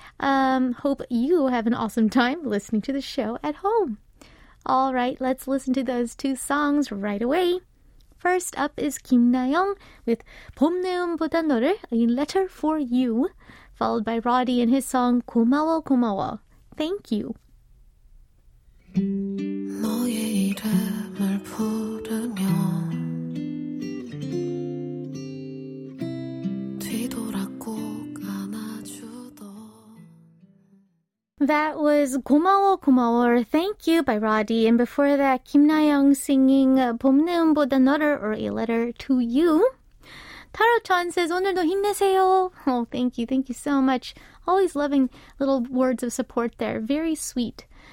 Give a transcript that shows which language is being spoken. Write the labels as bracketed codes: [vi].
[en] Hope you have an awesome time listening to the show at home. All right, let's listen to those two songs right away. First up is Kim Na-young with 봄내음보다 너를, a letter for you, followed by Raw D and his song 고마워 고마워. Thank you. [ko] 너의 이름을 부르며 뒤돌아 꼭 안아주던. [en] That was 고마워 고마워 or Thank You by Roddy, and before that Kim Na-young singing 봄내음보다 너를 or A Letter to You. Taro Chan says, 오늘도 힘내세요. Oh, thank you. Thank you so much. Always loving little words of support there. Very sweet.